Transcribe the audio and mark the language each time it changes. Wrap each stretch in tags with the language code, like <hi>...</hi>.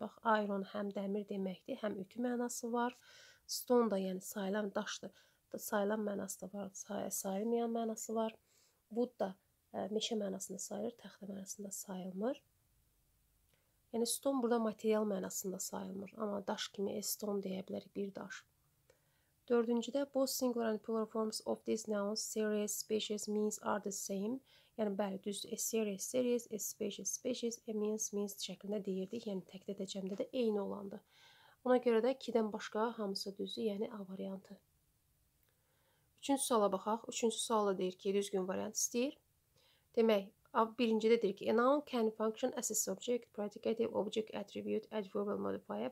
<az>Bax, iron həm dəmir deməkdir, həm ütü mənası var. Stone da, yəni sayılan daşdır, da sayılan mənası da var, sayılmayan mənası var. Wood da meşə mənasında sayılır, təxtə mənasında sayılmır. Yəni, stone burada material mənasında sayılmır, amma daş kimi stone deyə bilərik, bir daş. Dördüncüdə,</az> <en>both singular and plural forms of these nouns, series, species, means are the same.</en> <az>Yəni, bəli, düzdür, a series, series, a species, species, a means, means şəklində deyirdik. Yəni, təkdə də cəmdə də eyni olandır. Ona görə də 2-dən başqa hamısı düzdür, yəni A variantı. Üçüncü suala baxaq. Üçüncü suala deyir ki, düzgün variant istəyir. Demək, birinci də deyir ki,</az> <en>a noun can function as a subject, predicative, object, attribute, adverbial modifier.</en>